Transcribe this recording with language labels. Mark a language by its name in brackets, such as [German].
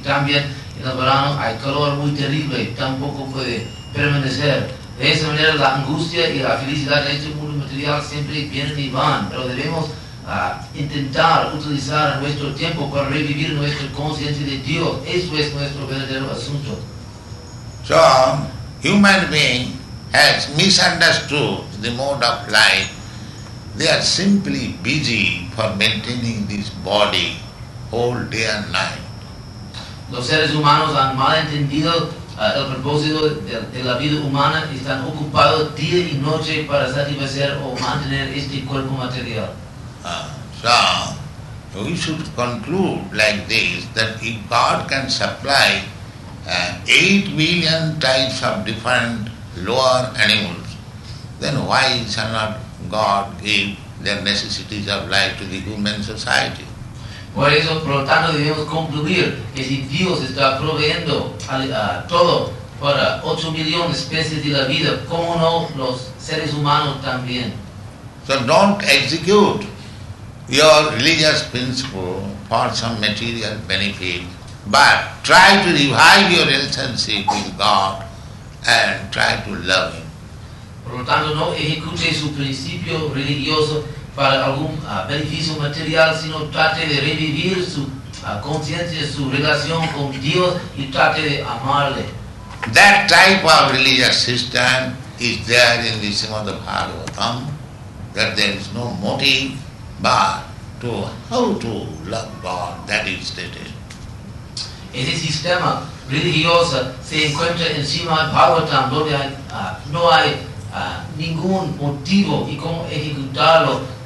[Spanish] Y también en el verano hay calor muy terrible, tampoco puede permanecer. De esa manera, la angustia y la felicidad en este mundo material siempre vienen y van, pero debemos intentar utilizar nuestro tiempo para revivir nuestra conciencia de Dios. Eso es nuestro verdadero asunto. [English] So, human being has misunderstood the mode of life. They are simply busy for maintaining this body whole day and night. [Spanish] Los seres humanos han mal entendido el propósito de la vida humana, están ocupados día y noche para satisfacer o mantener este cuerpo material. [English] So, we should conclude like this, that if God can supply 8 million types of different lower animals, then why shall not God give their necessities of life to the human society? [Spanish] Por eso, por lo tanto, debemos concluir que si Dios está proveyendo todo para 8 millones de especies de la vida, ¿cómo no los seres humanos también? [English] So don't execute your religious principle for some material benefit, but try to revive your relationship with God and try to love Him. [Spanish] Por lo tanto, no ejecute su principio religioso para algún beneficio material, sino trate de revivir su conciencia, su relación con Dios y trate de amarle. [English] That type of religious system is there in the Srimad Bhagavatam, that there is no motive but to how to love God, that is stated. [Spanish] Ese sistema religioso se encuentra en Srimad Bhagavatam, donde no hay ningún motivo y cómo ejecutarlo.